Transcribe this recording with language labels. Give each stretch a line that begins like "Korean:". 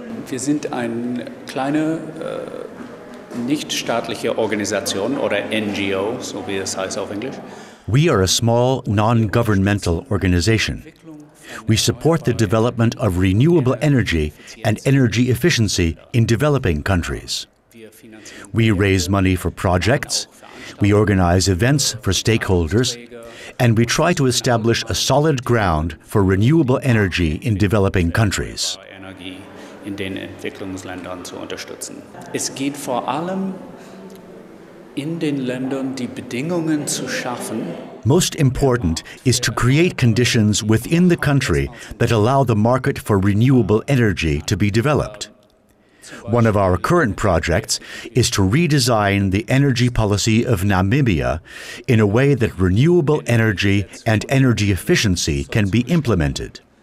German: Wir sind ein kleine nicht staatliche Organisation oder NGO, so wie es heißt auf Englisch.
English: We are a small non-governmental organization. We support the development of renewable energy and energy efficiency in developing countries. We raise money for projects, we organize events for stakeholders, and we try to establish a solid ground for renewable energy in developing countries.
German: In den Entwicklungsländern zu unterstützen. Es geht vor allem in den Ländern die Bedingungen zu schaffen.
English: Most important is to create conditions within the country that allow the market for renewable energy to be developed. One of our current projects is to redesign the energy policy of Namibia in a way that renewable energy and energy efficiency can be implemented.